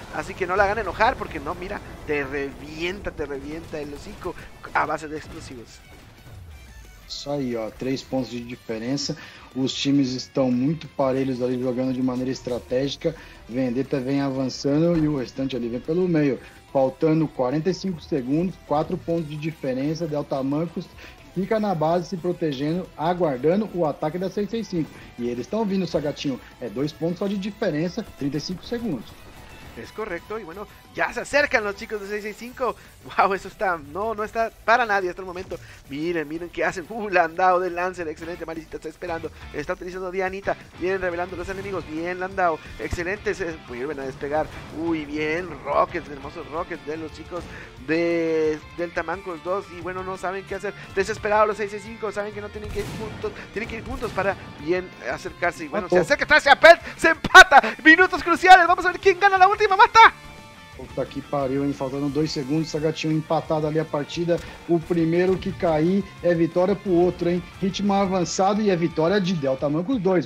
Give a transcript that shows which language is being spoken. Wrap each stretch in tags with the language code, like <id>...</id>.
<es>Así que no la hagan enojar porque no, mira, te revienta el hocico a base de explosivos.</es> <pt>Isso aí, ó, 3 pontos de diferença. Os times estão muito parelhos ali, jogando de maneira estratégica. Vendetta vem avançando e o restante ali vem pelo meio. Faltando 45 segundos, 4 pontos de diferença. Delta Mancos fica na base se protegendo, aguardando o ataque da 665. E eles estão vindo, Sagatinho. É 2 pontos só de diferença, 35 segundos.</pt> <es>Es correcto, y bueno, ya se acercan los chicos de 665, wow, eso está, no está para nadie hasta el momento, miren qué hacen, Landau del Lancer, excelente, Maricita está esperando, está utilizando Dianita, vienen revelando los enemigos, bien Landau, excelente, se vuelven a despegar, uy, bien, Rockets, hermosos Rockets de los chicos de Delta Mancos 2, y bueno, no saben qué hacer, desesperados los 665, saben que no tienen que ir juntos, tienen que ir juntos para bien acercarse, y bueno, se acerca, se empata, minutos cruciales, vamos a ver quién gana la última mata.</es> <pt>Puta que pariu, hein? Faltando 2 segundos, Sagatinho empatado ali a partida. O primeiro que cair é vitória pro outro, hein? Ritmo avançado e é vitória de Delta Mancos 2.</pt>